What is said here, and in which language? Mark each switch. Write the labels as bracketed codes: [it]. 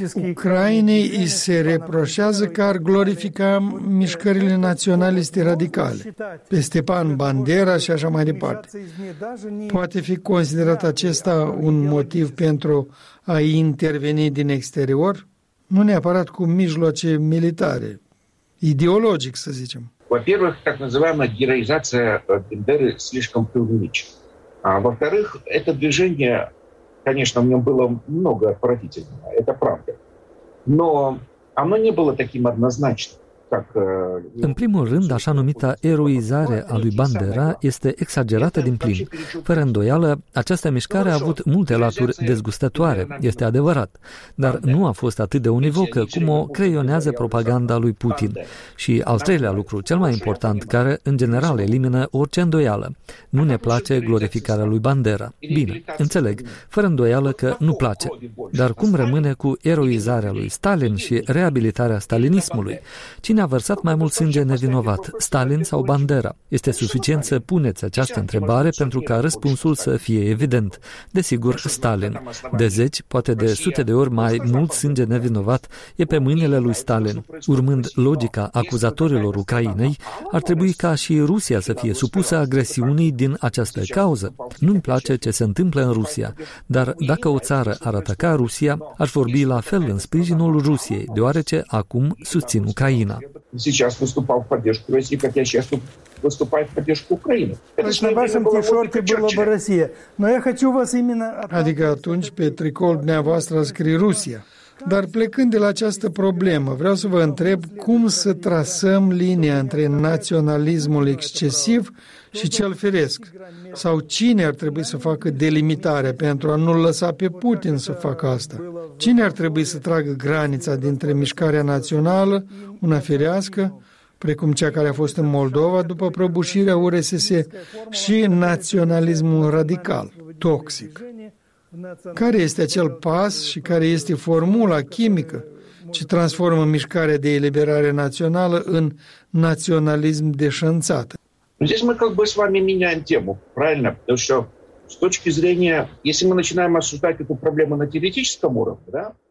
[ro] Ucrainei îi se reproșează că ar glorifica mișcările naționaliste radicale, pe Stepan Bandera și așa mai departe. Poate fi considerat acesta un motiv pentru a interveni din exterior? Nu neapărat cu mijloace militare, ideologic, să zicem. [ru] Во-первых, так называемая героизация Бандеры слишком преувеличена. Во-вторых, это движение... Конечно, в нем было много отвратительного, это правда. Но оно не было таким однозначным. [ro] În primul rând, așa numită eroizare a lui Bandera este exagerată din plin. Fără îndoială, această mișcare a avut multe laturi dezgustătoare, este adevărat, dar nu a fost atât de univocă cum o creionează propaganda lui Putin. Și al treilea lucru, cel mai important, care în general elimină orice îndoială, nu ne place glorificarea lui Bandera. Bine, înțeleg, fără îndoială că nu place. Dar cum rămâne cu eroizarea lui Stalin și reabilitarea stalinismului? Cine a vărsat mai mult sânge nevinovat, Stalin sau Bandera? Este suficient să puneți această întrebare pentru ca răspunsul să fie evident. Desigur, Stalin. De zeci, poate de sute de ori mai mult sânge nevinovat e pe mâinile lui Stalin. Urmând logica acuzatorilor Ucrainei, ar trebui ca și Rusia să fie supusă agresiunii din această cauză. Nu-mi place ce se întâmplă în Rusia, dar dacă o țară ar ataca Rusia, aș vorbi la fel în sprijinul Rusiei, deoarece acum susțin Ucraina. [ru] Сейчас выступал в поддержку России, как я сейчас выступаю в поддержку Украины. На вашем тишорте была бы Россия. Но я хочу вас именно... [ro] Adică atunci pe tricol dumneavoastră scrie Rusia. Dar plecând de la această problemă, vreau să vă întreb cum să trasăm linia între naționalismul excesiv și cel firesc? Sau cine ar trebui să facă delimitarea pentru a nu-l lăsa pe Putin să facă asta? Cine ar trebui să tragă granița dintre mișcarea națională, una firească, precum cea care a fost în Moldova după prăbușirea URSS, și naționalismul radical, toxic? Care este acel pas și care este formula chimică ce transformă mișcarea de eliberare națională în naționalism deșanțat? [ru] Здесь мы как бы с вами меняем тему, правильно? Потому что с точки зрения, если мы начинаем обсуждать эту проблему на теоретическом уровне, да?